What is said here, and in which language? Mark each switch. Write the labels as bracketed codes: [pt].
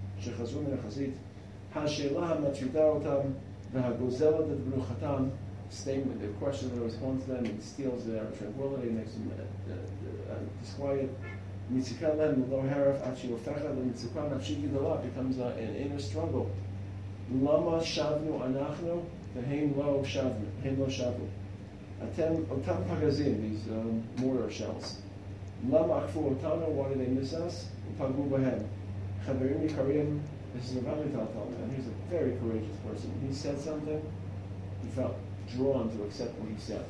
[he] שחזרו מן החזית, השאלה המטרידה אותם והגוזלת את בנוחתם, [en] staying with their question and response to them, and steals their tranquility, makes them disquiet, [he] מציקה להם ללא הרף עד שהיא הופכת למציקה נפשית גדולה, [en] becomes an inner struggle. [he] למה שבנו אנחנו והם לא שבנו, הם לא שבו. אתם, אותם פגזים, [en] these mortar shells, [he] למה עקפו אותנו, [en] why did they miss us, [he] ופגעו בהם. [en] Chaverim Yikarim, this is Rav Amital telling him, he's a very courageous person. He said something, he felt drawn to accept what he said.